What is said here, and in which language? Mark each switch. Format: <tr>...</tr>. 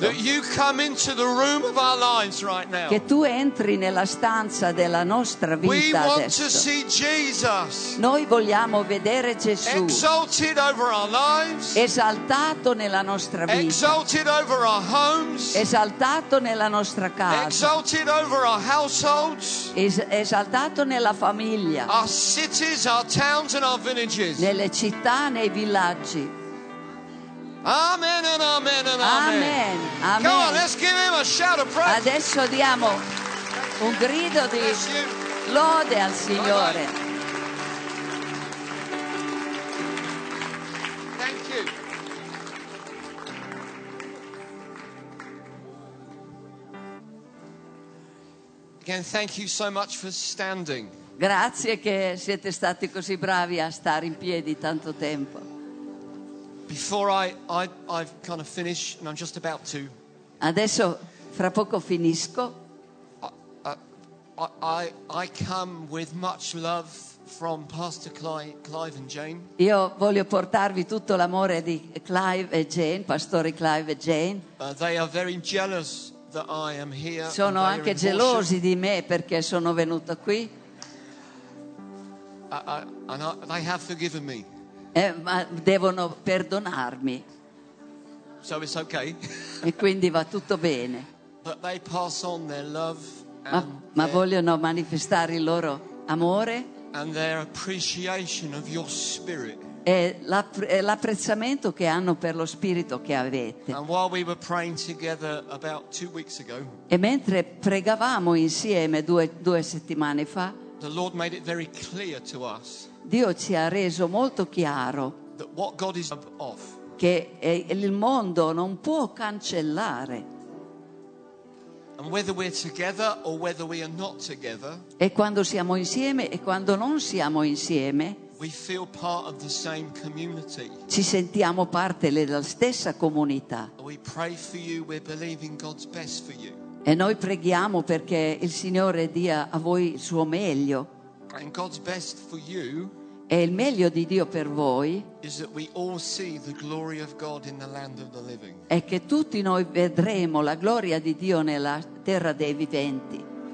<en>That you come into the room of our lives right now.</en> <it>Che tu entri nella stanza della nostra vita adesso.</it> <en>We want to see Jesus.</en> <it>Noi vogliamo vedere Gesù.</it> <en>Exalted over our lives.</en> <it>Esaltato nella nostra vita.</it> <en>Exalted over our homes.</en> <it>Esaltato nella nostra casa.</it> <en>Exalted over our households.</en> <it>Esaltato nella famiglia,</it> <en>our cities, our towns and our villages,</en> <it>nelle città, nei villaggi.</it> <en>Amen and amen and amen.</en> <it>Amen.</it> <en>Come on, let's give him a shout of praise.</en> <it>Adesso diamo un grido di lode al Signore.</it> <en>Again, thank you so much for standing.</en> <it>Grazie che siete stati così bravi a stare in piedi tanto tempo.</it> <en>Before I've kind of finished, and I'm just about to.</en> <it>Adesso, fra poco finisco.</it> <en>I come with much love from Pastor Clive and Jane.</en> <it>Io voglio portarvi tutto l'amore di Clive e Jane, pastori Clive e Jane.</it> <en>They are very jealous. That I am here.</en> <it>Sono anche gelosi di me perché sono venuto qui.</it> <en>They have forgiven me.</en> <it>Ma devono perdonarmi.</it> <en>So it's okay.</en> <it>E quindi va tutto bene.</it> <en>But they pass on their love.</en> <it>Ma vogliono manifestare il loro amore.</it> <en>And their appreciation of your spirit.</en> <it>E l'apprezzamento che hanno per lo spirito che avete.</it> <en>And while we were praying together about 2 weeks ago,</en> <it>e mentre pregavamo insieme due settimane fa,</it> <en>the Lord made it very clear to us,</en> <it>Dio ci ha reso molto chiaro</it> <en>that what God is of,</en> <it>che il mondo non può cancellare.</it> <en>And whether we're together or whether we are not together,</en> <it>e quando siamo insieme e quando non siamo insieme,</it> <en>we feel part of the same community.</en> <it>Ci sentiamo parte della stessa comunità.</it> <en>We pray for you, we're believing God's best for you.</en> <it>E noi preghiamo perché il Signore dia a voi il suo meglio.</it> <en>And God's best for you.</en> <it>E il meglio di Dio per voi.</it> <en>Is that we all see the glory of God in the land of the living.</en> <it>È che tutti noi vedremo la gloria di Dio nella terra dei viventi.</it>